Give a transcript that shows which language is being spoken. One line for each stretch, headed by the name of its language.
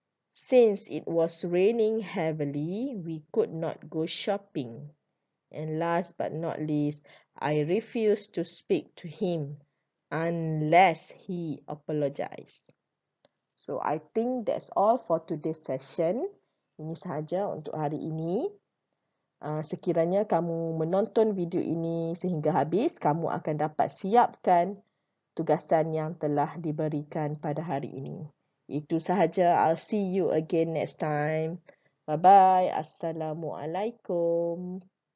English: Since it was raining heavily, we could not go shopping. And last but not least, I refused to speak to him unless he apologized. So, I think that's all for today's session.
Malay: Ini sahaja untuk hari ini. Sekiranya kamu menonton video ini sehingga habis, kamu akan dapat siapkan tugasan yang telah diberikan pada hari ini. Itu sahaja.
English: I'll see you again next time. Bye-bye. Assalamualaikum.